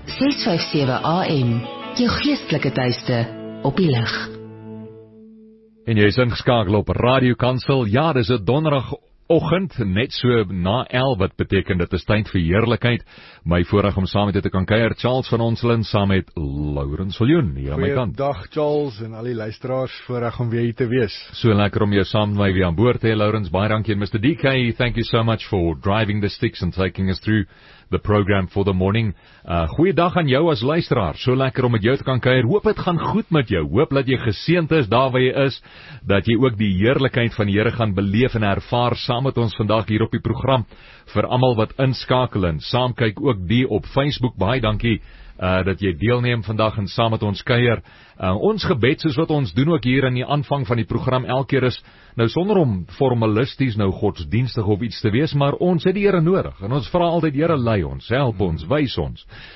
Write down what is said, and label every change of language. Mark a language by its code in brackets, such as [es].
[af] 657 AM, jou geestelike tuiste op die lig. En jy is ingeskakel op Radio Kansel. Ja, dis 'n donderdag oggend net so na 11 wat beteken dit is tyd vir heerlikheid. My voorreg om saam met jou te kan kuier Charles van Onselin saam met Laurens Viljoen hier aan my kant. Goeiedag Charles en al die luisteraars, voorreg om weer hier te wees. So lekker om jou saam met my weer aan boord te hê Laurens. Baie dankie en Mr. [en] DK, thank you so much for driving the sticks and taking us through the program for the morning. [af] Goeiedag aan jou as luisteraar. So lekker om met jou te kan kuier. Hoop dit gaan goed met jou. Hoop dat jy geseend is daar waar jy is, dat jy ook die heerlikheid van die Here gaan beleef en ervaar saam met ons vandag hier op die program. Vir almal wat inskakel en saam kyk ook die op Facebook, baie dankie dat jy deelneem vandag en saam met ons kuier. Ons gebed soos wat ons doen ook hier in die aanvang van die program elke keer is, nou sonder om formalisties nou godsdienstig of iets te wees, maar ons het die Here nodig en ons vra altyd Here lei ons, help ons, wys ons.